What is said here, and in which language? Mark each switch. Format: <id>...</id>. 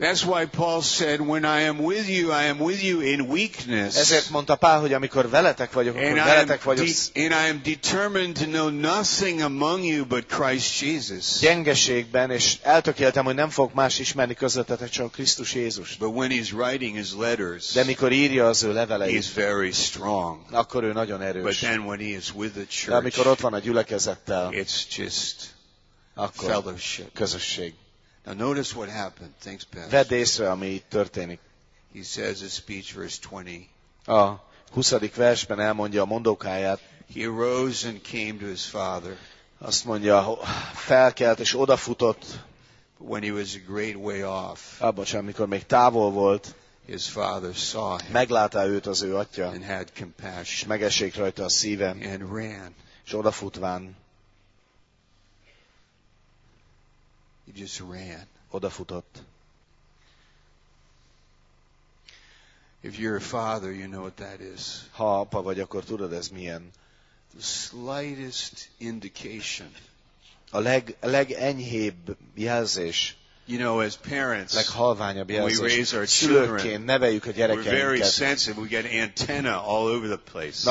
<en>That's why Paul said, when I am with you in weakness.</en> <hu>Ezért mondta Pál, hogy amikor veletek vagyok, akkor veletek vagyok.</hu> <en>And I am determined to know nothing among you but Christ Jesus.</en> <hu>Gyengeségben, és eltökéltem, hogy nem fogok más ismerni közöttetek, csak Krisztus Jézus.</hu> <en>But when he's writing his letters,</en> <hu>de mikor írja az ő leveleit,</hu> <en>he's very strong.</en> <hu>Akkor ő nagyon erős.</hu> <en>But then when he is with the church,</en> <hu>de amikor ott van a gyülekezettel,</hu> <en>it's just</en> <hu>akkor</hu> <en>fellowship.</en> <hu>Közösség.</hu> <en>Now notice what happened. Thanks, Pastor.</en> <hu>Vedd észre, ami itt történik.</hu> <en>He says his speech verse 20.</en> <hu>A 20. versben elmondja a mondókáját.</hu> <en>He arose and came to his father.</en> <hu>Azt mondja, felkelt és odafutott.</hu> <en>But when he was a great way off.</en> <hu>Amikor még távol volt.</hu> <en>His father saw him.</en> <hu>Meglátta őt az ő atya.</hu> <en>And had compassion.</en> <hu>Megesik rajta a szíve.</hu> <en>And ran.</en> <hu>És odafutván.</hu> <en>He just ran.</en> <hu>Odafutott.</hu> <en>If you're a father, you know what that is.</en> <hu>Ha apa vagy, akkor tudod ez milyen.</hu> <en>The slightest indication.</en> <hu>A legenyhébb jelzés.</hu> <en>You know, as parents,</en> <hu>leghalványabb jelzés.</hu> <en>We raise our children.</en> <hu>Szülőként neveljük a gyerekeinket.</hu> <en>We're very sensitive. We get antenna all over the place.</en>